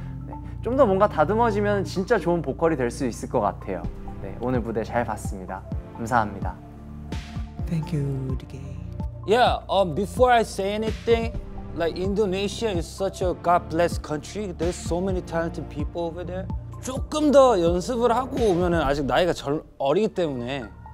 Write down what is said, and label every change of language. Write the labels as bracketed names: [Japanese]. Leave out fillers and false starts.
[Korean] 네, 좀 더 뭔가 다듬어지면 진짜 좋은 보컬이 될 수 있을 것 같아요. 네, 오늘 무대 잘 봤습니다. 감사합니다. [English] Thank you, DK. Yeah, before I say anything, like Indonesia is such a God bless country. There's so many talented people over there. [Korean] 조금 더 연습을 하고 오면은 아직 나이가 절 어리기 때문에